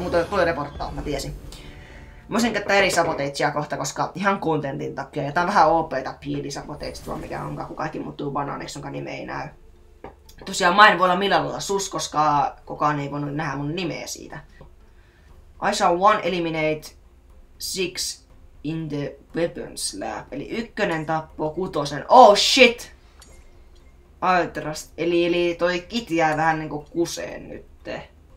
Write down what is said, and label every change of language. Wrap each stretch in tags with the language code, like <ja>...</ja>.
<fi>Mut tuli reporttaa, mä tiesin. Mä voisin käyttää eri saboteitsiä kohta, koska ihan kontentin takia. Ja tää on vähän OP-ta hiilisaboteitsi tuo, mikä onkaan, kun kaikki muuttuu banaaniksi, jonka nimi ei näy. Tosiaan mä en voi olla millään lailla sus, koska kukaan ei voinut nähdä mun nimeä siitä.</fi> <en>I shall one eliminate six in the weapons lab.</en> <fi>Eli ykkönen tappoo kutosen.</fi> <en>Oh shit!</en> <fi>Aitrast. Eli toi kit jää vähän niinku kuseen nytte.</fi>